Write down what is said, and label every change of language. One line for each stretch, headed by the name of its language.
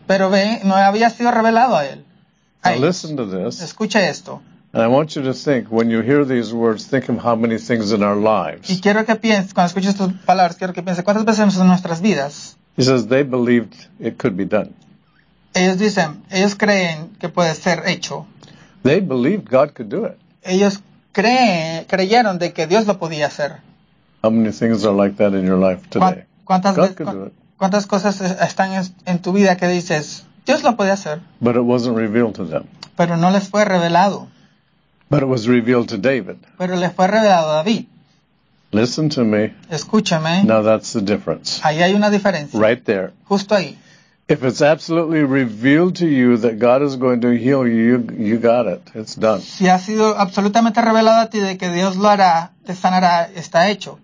Spanish: Pero ve, no había sido revelado a él.
English: Now
Spanish: ellos.
English: Listen to this.
Spanish: Escucha esto.
English: And I want you to think, when you hear these words, think of how many things in our lives.
Spanish: Y quiero que pienses, cuando escuches estas palabras, quiero que pienses, ¿cuántas veces en nuestras vidas?
English: He says, they believed it could be done.
Spanish: Ellos dicen, ellos creen que puede ser hecho.
English: They believed God could do it.
Spanish: Ellos creyeron de que Dios lo podía hacer.
English: How many things are like that in your life today?
Spanish: ¿Cuántas cosas están en tu vida que dices, Dios lo puede hacer?
English: But it wasn't revealed to them.
Spanish: Pero no les fue revelado.
English: But it was revealed to David.
Spanish: Pero les fue revelado a David.
English: Listen to me.
Spanish: Escúchame.
English: Now that's the difference.
Spanish: Ahí hay una diferencia.
English: Right there.
Spanish: Justo ahí.
English: If it's absolutely revealed to you that God is going to heal you, you got it. It's done.
Spanish: Si ha sido absolutamente revelado a ti de que Dios lo hará, te sanará, está hecho.